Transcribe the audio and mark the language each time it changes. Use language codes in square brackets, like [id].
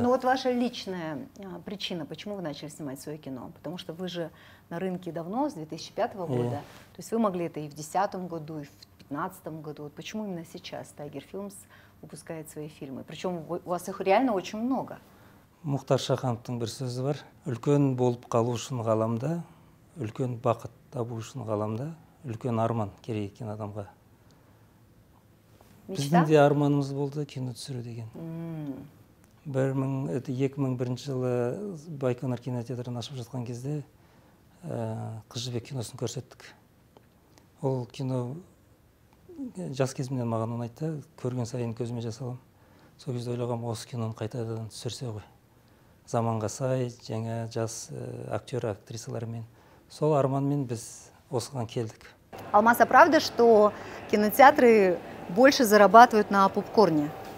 [ru] Ну вот ваша личная причина, почему вы начали снимать свое кино? Потому что вы же на рынке давно, с 2005 года. То есть вы могли это и в 2010 году, и в 2015 году. Вот почему именно сейчас Tiger Films выпускает свои фильмы? Причем у вас их реально очень много. [kk] Мухтар Шахановтың бір сөзі бар. Үлкен болып қалу үшін ғаламда, үлкен бақыт табу үшін ғаламда, үлкен арман керек екен адамға. [ru] Мечта? [kk] Біздің де арманымыз болды кино түсіру деген. 2001 жылы Байконур кинотеатрын ашып жатқан кезде Қыз Жібек киносын көрсеттік. Ол кино жас кезімден маған ұнайды, көрген сайын көзіме жасалам. Сол кезде ойлағам, осы киноны қайтадан түсірсе ғой. Заманға сай, жаңа жас актер, актрисалармен. Сол арманмен біз осыған келдік. [ru] Алмас, а правда, что кинотеатры больше зарабатывают на попкорне?